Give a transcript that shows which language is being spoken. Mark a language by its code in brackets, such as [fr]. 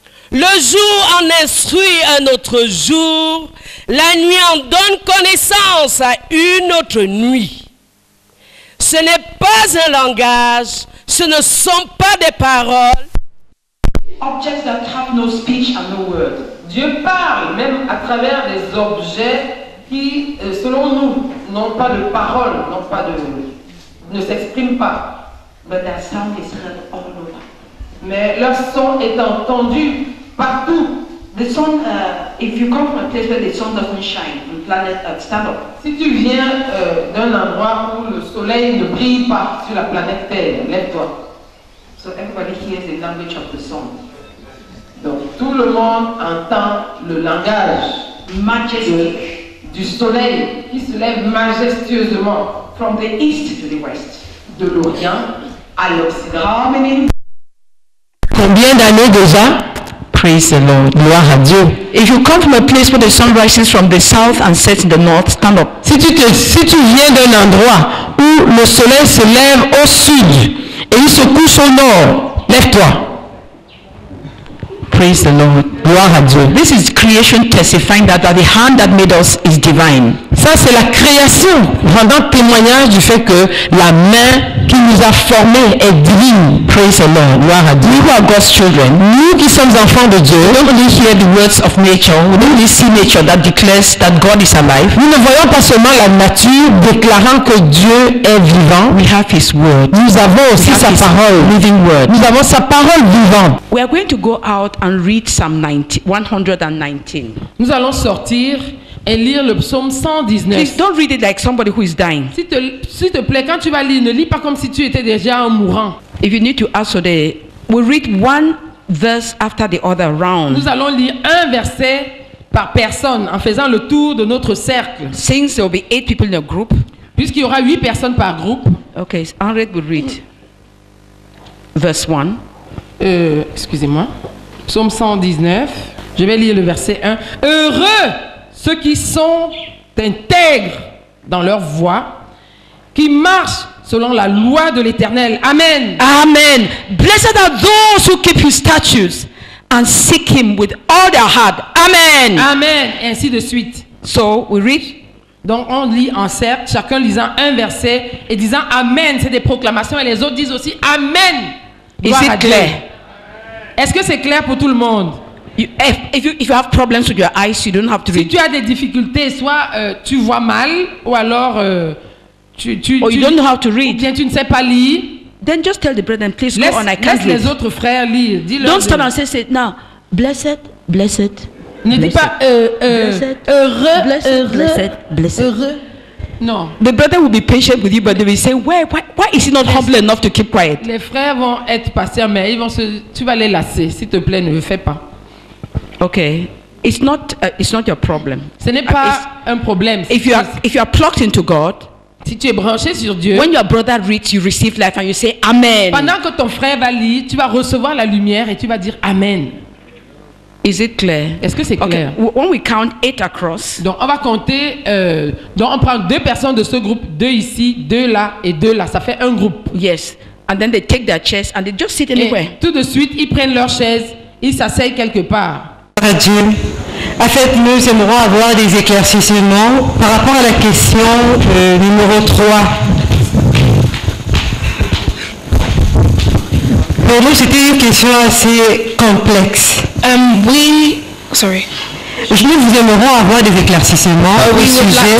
[fr] Le jour en instruit un autre jour, la nuit en donne connaissance à une autre nuit. Ce n'est pas un langage, ce ne sont pas des paroles. [en] Objects that have no speech and no words. [fr] Dieu parle même à travers des objets qui, selon nous, n'ont pas de paroles, n'ont pas de, ne s'expriment pas. [en] But their sound is heard all over. [fr] Mais leur son est entendu partout. [en] The sound, if you come from a place where the sun doesn't shine, the planet Terre. [fr] Si tu viens d'un endroit où le soleil ne brille pas sur la planète Terre, lève-toi. [en] So everybody hears the language of the sun. [fr] Donc tout le monde entend le langage [en] majestic [fr] du soleil qui se lève majestueusement [en] from the east to the west. [fr] De l'Orient à l'Occident. Combien d'années déjà? [en] Praise the Lord. [fr] Gloire à Dieu. [en] If you come from a place where the sun rises from the south and sets in the north, stand up. [fr] Si tu viens d'un endroit où le soleil se lève au sud et il se couche au nord, lève-toi. [en] Praise the Lord. [fr] Gloire à Dieu. [en] This is creation testifying that the hand that made us is divine. [fr] Ça, c'est la création rendant témoignage du fait que la main qui nous a formés est divine. [en] Praise the Lord. [fr] Gloire à Dieu. [en] We are God's children. [fr] Nous qui sommes enfants de Dieu. [en] We don't only hear the words of nature. We don't only see nature that declares that God is alive. [fr] Nous ne voyons pas seulement la nature déclarant que Dieu est vivant. [en] We have his word. [fr] Nous avons aussi sa parole. [en] Living word. [fr] Nous avons sa parole vivante. [en] We are going to go out and read some 119. [fr] Nous allons sortir et lire le psaume 119. [en] Please don't read it like somebody who is dying. [fr] S'il te plaît, quand tu vas lire, ne lis pas comme si tu étais déjà un mourant. [en] If you need to ask for the, we read one verse after the other round. [fr] Nous allons lire un verset par personne en faisant le tour de notre cercle. [en] Since there will be 8 people in a group. [fr] Puisqu'il y aura 8 personnes par groupe. [en] Okay, Henriette will read verse 1. [fr] Excusez-moi. Psaume 119. Je vais lire le verset 1. Heureux ceux qui sont intègres dans leur voie, qui marchent selon la loi de l'Éternel. Amen. Amen. [en] Blessed are those who keep his statutes and seek him with all their heart. Amen. [fr] Amen. Et ainsi de suite. [en] So we read. [fr] Donc on lit en cercle, chacun lisant un verset et disant Amen. C'est des proclamations et les autres disent aussi Amen. Gloire. [en] Is it clear? [fr] Est-ce que c'est clair pour tout le monde? [en] If you have problems with your eyes, you don't have to read. [fr] Si tu as des difficultés, soit tu vois mal, ou alors [en] you don't know how to read. [fr] Ou bien tu ne sais pas lire. [en] Then just tell the brethren, please [fr] laisse, [en] go on. I can't [fr] laisse [en] read. [fr] Les autres frères lire. Dis-leur. [en] Don't stop and say it now. Blessed, blessed. [fr] Ne dis pas heureux, [en] blessed, blessed, [fr] heureux. Non. [en] The brother will be patient with you, but they will say, why is he not humble enough to keep quiet? [fr] Les frères vont être patients, mais tu vas les lasser, s'il te plaît, ne le fais pas. [en] Okay, it's not your problem. [fr] Ce n'est pas un problème. [en] If you are plugged into God, [fr] si tu es branché sur Dieu, [en] when your brother reads, you receive life and you say Amen. [fr] Pendant que ton frère va lire, tu vas recevoir la lumière et tu vas dire Amen. [en] Is it clear? [fr] Est-ce que c'est clair? [en] Okay. When we count eight across. [fr] Donc on va compter. Donc on prend deux personnes de ce groupe, deux ici, deux là et deux là. Ça fait un groupe. [en] Yes. And then they take their chairs and they just sit anywhere. [fr] Et tout de suite, ils prennent leurs chaises, ils s'asseyent quelque part. Dieu, en fait, nous aimerons avoir des éclaircissements par rapport à la question numéro 3. Pour nous, c'était une question assez complexe. Nous aimerons avoir des éclaircissements au sujet.